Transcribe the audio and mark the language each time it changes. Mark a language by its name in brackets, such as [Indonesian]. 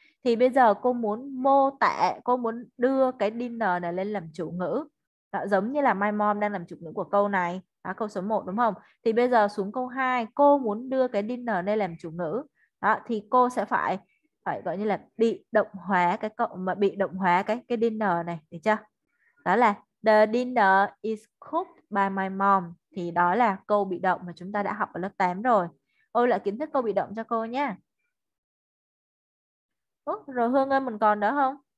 [Vietnamese] Thì bây giờ cô muốn mô tả, cô muốn đưa cái dinner này lên làm chủ ngữ. Đó, giống như là my mom đang làm chủ ngữ của câu này. Đó, câu số 1 đúng không? Thì bây giờ xuống câu 2, cô muốn đưa cái dinner này làm chủ ngữ. Đó, thì cô sẽ phải phải gọi như là bị động hóa cái cậu mà bị động hóa cái dinner này, được chưa? Đó là [English] the dinner is cooked by my mom. [Vietnamese] Thì đó là câu bị động mà chúng ta đã học ở lớp 8 rồi. Ôn lại kiến thức câu bị động cho cô nhé. Ủa, rồi Hương ơi, mình còn đó không?